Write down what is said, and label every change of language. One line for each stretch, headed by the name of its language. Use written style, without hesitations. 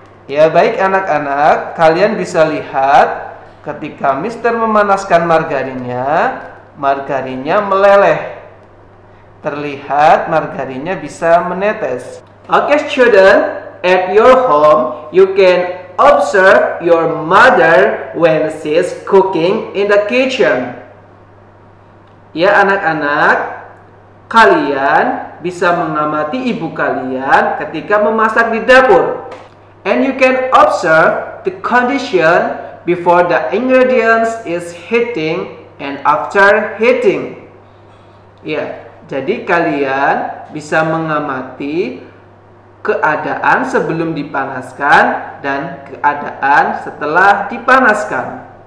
Indonesian: Ya baik anak-anak, kalian bisa lihat ketika Mister memanaskan margarinnya, margarinnya meleleh. Terlihat margarinnya bisa menetes.
English: Okay student, at your home, you can observe your mother when she's cooking in the kitchen.
Indonesian: Ya anak-anak, kalian bisa mengamati ibu kalian ketika memasak di dapur.
English: And you can observe the condition before the ingredients is heating and after heating.
Indonesian: Ya, jadi kalian bisa mengamati keadaan sebelum dipanaskan dan keadaan setelah dipanaskan.